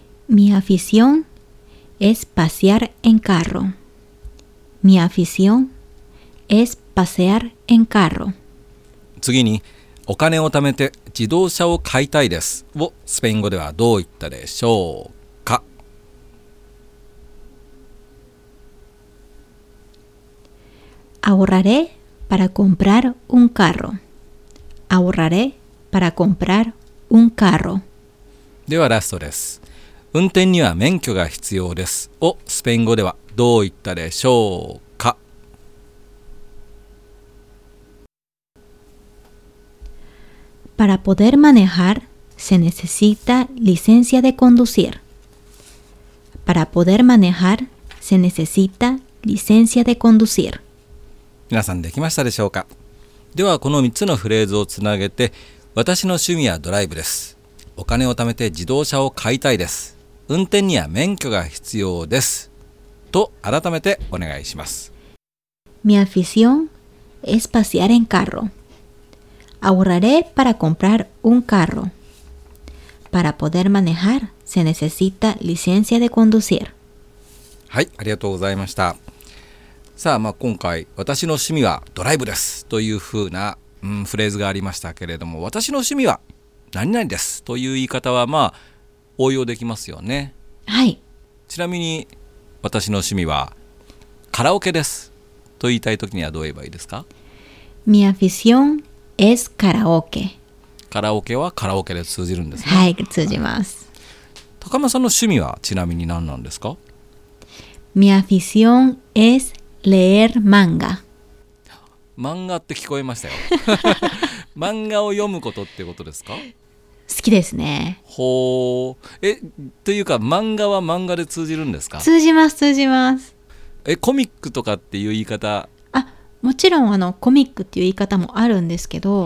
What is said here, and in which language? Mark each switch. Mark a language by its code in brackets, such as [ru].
[es] Mi afición es pasear en carro. Mi afición es pasear en carro. [ja] 次に、お金を貯めて自動車を買いたいですをスペイン語ではどう言ったでしょうか？ [es] Ahorraré para comprar un carro. Ahorraré para comprar un carro. [ja] ではラストです。運転には免許が必要ですをスペイン語ではどう言ったでしょうか？ [es] Para poder manejar se necesita licencia de conducir. Para poder manejar se necesita licencia de conducir. [ja] 皆さんできましたでしょうか？ではこの3つのフレーズをつなげて、私の趣味はドライブです、お金を貯めて自動車を買いたいです、運転には免許が必要ですと改めてお願いします。 [es] Mi afición es pasear en carro. Ahorraré para comprar un carro. Para poder manejar se necesita licencia de conducir. [ja] はい、ありがとうございました。さあ、今回私の趣味はドライブですというふうな、フレーズがありましたけれども、私の趣味は何々ですという言い方は応用できますよね。はい。ちなみに私の趣味はカラオケですと言いたいときにはどう言えばいいですか？ [es] Mi afición es karaoke. [ja] カラオケはカラオケで通じるんですか？はい、通じます。高間さんの趣味はちなみに何なんですか？ [es] Mi afición es leer manga. [ja] 漫画って聞こえましたよ。漫画を読むことってことですか？好きですね。ほう。というか漫画は漫画で通じるんですか？通じます、通じます。コミックとかっていう言い方？あ、もちろんコミックっていう言い方もあるんですけど、